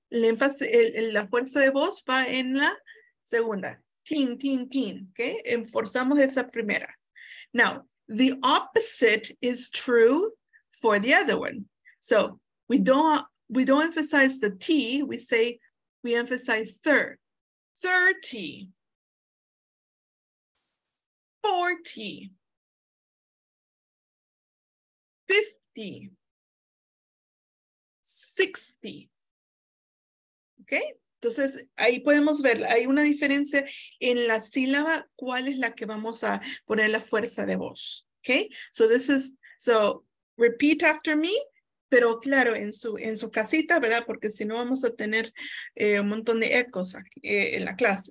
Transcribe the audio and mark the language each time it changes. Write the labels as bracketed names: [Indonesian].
[Spanish] El énfasis, la fuerza de voz va en la segunda. [English] Teen, teen, teen. ¿Okay? [Spanish] Enforzamos esa primera. [English] Now, the opposite is true for the other one. So, we don't emphasize the T, we say, we emphasize 30, 40, 50, 60, okay? [Spanish] Entonces, ahí podemos ver, hay una diferencia en la sílaba, cuál es la que vamos a poner la fuerza de voz, okay? [English] So this is, so repeat after me. [Spanish] Pero claro, en su casita, ¿verdad? Porque si no vamos a tener un montón de ecos aquí, en la clase.